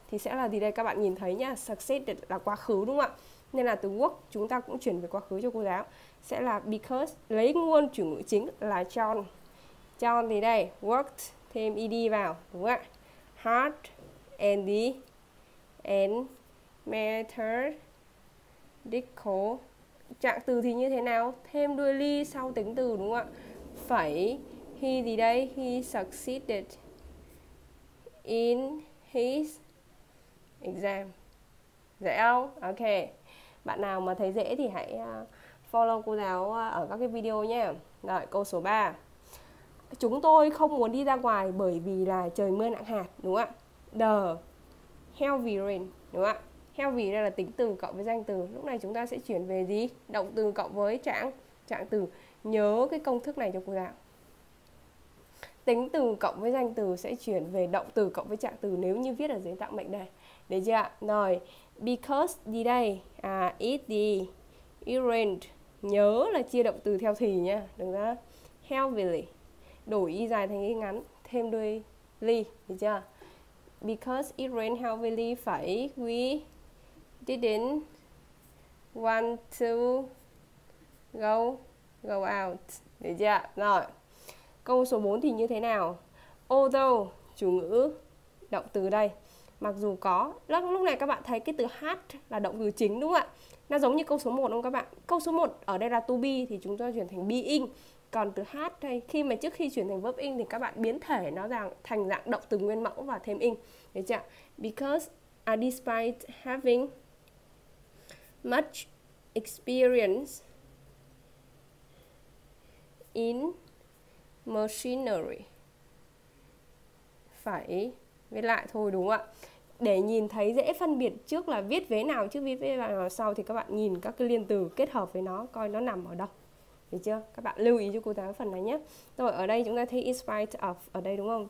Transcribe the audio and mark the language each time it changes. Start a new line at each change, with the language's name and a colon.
Vietnamese: Thì sẽ là gì đây, các bạn nhìn thấy nhá, success là quá khứ, đúng không ạ? Nên là từ work chúng ta cũng chuyển về quá khứ cho cô giáo, sẽ là because, lấy nguồn chủ ngữ chính là John, John thì đây worked thêm ed vào, đúng không ạ?
English: Hard and the and methodical,
Vietnamese: trạng từ thì như thế nào, thêm đuôi ly sau tính từ, đúng không ạ? Phải he gì đây,
English: he succeeded in his exam,
Vietnamese: dễ không? Ok, bạn nào mà thấy dễ thì hãy follow cô giáo ở các cái video nhé. Rồi, câu số 3. Chúng tôi không muốn đi ra ngoài bởi vì là trời mưa nặng hạt, đúng không ạ?
English: The heavy rain,
Vietnamese: đúng không ạ? Heavy đây là tính từ cộng với danh từ. Lúc này chúng ta sẽ chuyển về gì? Động từ cộng với trạng từ. Nhớ cái công thức này cho cô giáo. Tính từ cộng với danh từ sẽ chuyển về động từ cộng với trạng từ nếu như viết ở dưới dạng mệnh đề. Được chưa ạ? Rồi, because gì đây? À,
English: it rained.
Vietnamese: Nhớ là chia động từ theo thì nha, đúng không? Heavily. Đổi y dài thành y ngắn, thêm đuôi ly, được chưa?
English: Because it rained heavily, phải we didn't want to go out.
Vietnamese: Được chưa? Rồi. Câu số 4 thì như thế nào? Although chủ ngữ động từ đây, mặc dù có, lúc này các bạn thấy cái từ hát là động từ chính, đúng không ạ? Nó giống như câu số 1 không các bạn? Câu số 1 ở đây là to be thì chúng ta chuyển thành being. Còn từ hát đây, khi mà trước khi chuyển thành verb in thì các bạn biến thể nó thành dạng động từ nguyên mẫu và thêm in. Được chưa?
English: Because despite having much experience in machinery.
Vietnamese: Phải viết lại thôi, đúng không ạ? Để nhìn thấy dễ phân biệt trước là viết vế nào trước viết vế nào sau thì các bạn nhìn các cái liên từ kết hợp với nó coi nó nằm ở đâu. Được chưa? Các bạn lưu ý cho cô giáo phần này nhé. Rồi ở đây chúng ta thấy in spite of ở đây đúng không?